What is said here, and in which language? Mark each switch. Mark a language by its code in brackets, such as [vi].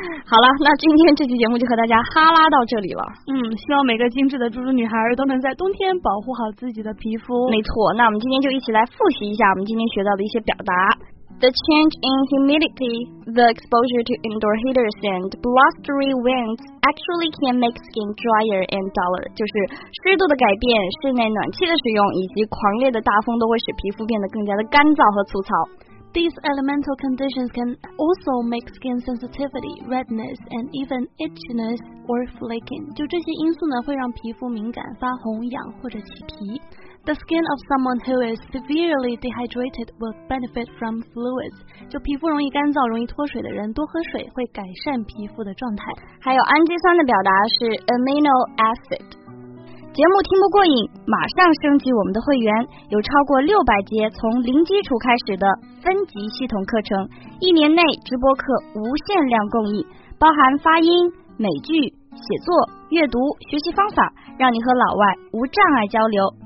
[zh] 好了，那今天这期节目就和大家哈拉到这里了。希望每个精致的猪猪女孩都能在冬天保护好自己的皮肤。没错，那我们今天就一起来复习一下我们今天学到的一些表达。 [en] The change in humidity, the exposure to indoor heaters and blustery winds actually can make skin drier and duller. [zh] 就是湿度的改变、室内暖气的使用以及狂烈的大风都会使皮肤变得更加的干燥和粗糙。 [en] These elemental conditions can also make skin sensitivity, redness, and even itchiness or flaking. [zh] 就这些因素呢，会让皮肤敏感、发红、痒或者起皮。 [en] The skin of someone who is severely dehydrated will benefit from fluids. [zh] 就皮肤容易干燥、容易脱水的人，多喝水会改善皮肤的状态。还有氨基酸的表达是 amino acid。节目听不过瘾，马上升级我们的会员，有超过600节从零基础开始的分级系统课程，一年内直播课无限量供应，包含发音、美剧、写作、阅读、学习方法，让你和老外无障碍交流。